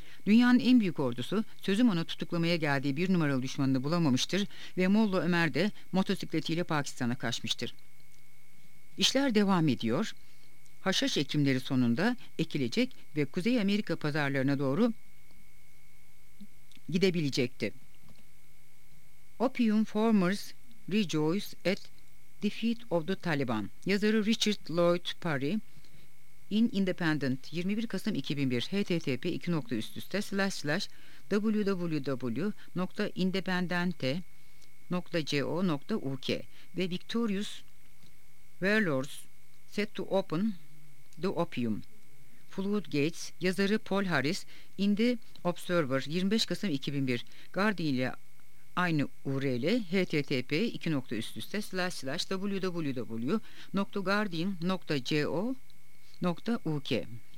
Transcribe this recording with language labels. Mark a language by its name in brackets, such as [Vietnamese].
[Turkish] Dünyanın en büyük ordusu sözüm ona tutuklamaya geldiği bir numaralı düşmanını bulamamıştır ve Molla Ömer de motosikletiyle Pakistan'a kaçmıştır. İşler devam ediyor. Haşhaş ekimleri sonunda ekilecek ve Kuzey Amerika pazarlarına doğru gidebilecekti. [English] Opium Farmers Rejoice at Defeat of the Taliban. [Turkish] Yazarı Richard Lloyd Parry. [English] In Independent 21 Kasım 2001 http://www.independente.co.uk ve Victorious Warlords Set to Open the Opium Floodgates yazarı Paul Harris In the Observer 25 Kasım 2001 Guardian [Turkish] ile aynı [English] URL http://www.guardian.co.uk